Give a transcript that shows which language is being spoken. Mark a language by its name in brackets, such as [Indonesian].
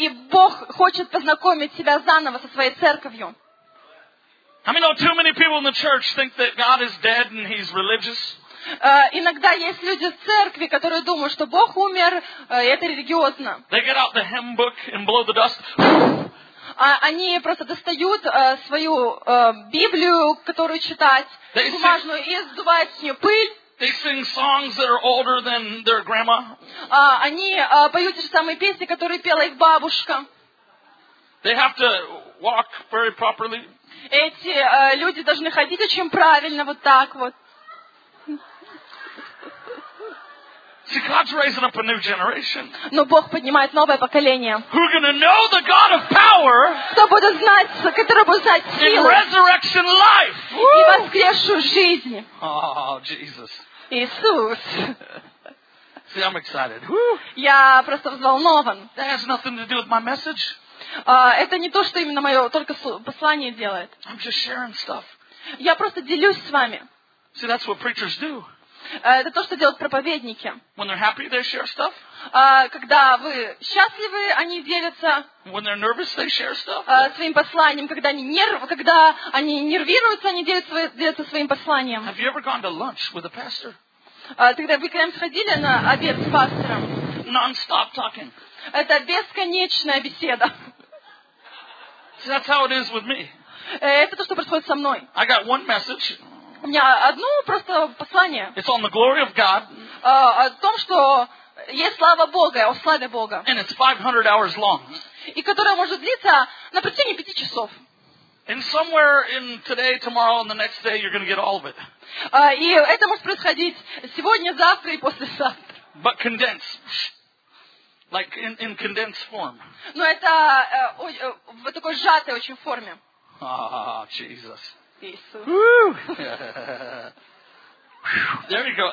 [Russian] И Бог хочет познакомить себя заново со своей церковью. [English] I mean, too many people in the church think that God is dead and He's religious. [Russian] Иногда есть люди в церкви, которые думают, что Бог умер, и это религиозно. [English] They get out the hymn book and blow the dust. [Russian] Они просто достают свою Библию, которую читать, бумажную, и сдувают с нее пыль. [English] They sing songs that are older than their grandma. [Russian] Они поют те же самые песни, которые пела их бабушка. [English] They have to walk very properly. [Russian] Эти люди должны ходить очень правильно, вот так вот. [English] See, God's raising up a new generation. [Russian] Но Бог поднимает новое поколение. [English] Who gonna know the God of power? [Russian] Кто будет знать, который будет знать силу? [English] In resurrection life. [Russian] И воскресшую жизнь. [English] Oh, Jesus. [Russian] Иисус. [English] See, I'm excited. [Russian] Я просто взволнован. [English] That has nothing to do with my message. [Russian] Это не то, что именно мое только послание делает. [English] I'm just sharing stuff. [Russian] Я просто делюсь с вами. [English] See, that's what preachers do. [Russian] Это то, что делают проповедники. [English] When they're happy, they share stuff. [Russian] Когда вы счастливы, они делятся [English] When they're nervous, they share stuff. [Russian] Своим посланием. Когда они, когда они нервируются, они делятся своим посланием. [English] Have you ever gone to lunch with a pastor? [Russian] Тогда вы когда-нибудь ходили на обед с пастором? [English] Non-stop talking. [Russian] Это бесконечная беседа. [English] See, that's how it is with me. [Russian] Это то, что происходит со мной. [English] I got one message. [Russian] У меня одно просто послание. [English] It's on the glory of God. [Russian] О том, что есть слава Бога, о славе Бога. [English] And it's 500 hours long. [Russian] И которое может длиться на протяжении 5 часов. [English] And somewhere in today, tomorrow, and the next day, you're going to get all of it. [Russian] И это может происходить сегодня, завтра и послезавтра. [English] But condensed. Like in condensed form. [Russian] Но это в такой сжатой очень форме. [English] Ah, Jesus. There you go.